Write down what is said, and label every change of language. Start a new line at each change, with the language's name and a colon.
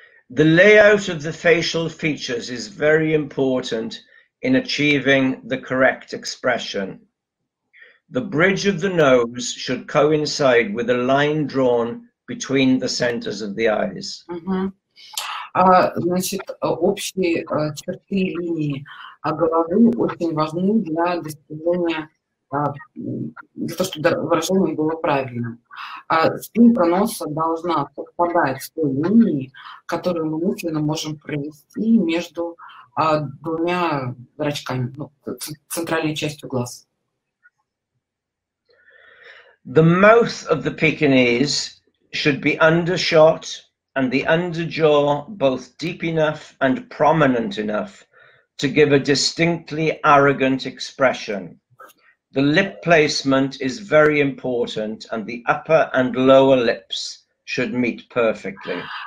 English: The layout of the facial features is very important in achieving the correct expression. The bridge of the nose should coincide with a line drawn between the centers of the eyes.
Russian: Общие черты линии головы очень важны для достижения, для того, чтобы выражение было правильным. Спинка носа должна совпадать с той линией, которую мы мысленно можем провести между двумя зрачками, центральной частью глаз.
English: The mouth of the Pekinese should be undershot and the underjaw both deep enough and prominent enough to give a distinctly arrogant expression. The lip placement is very important and the upper and lower lips should meet perfectly.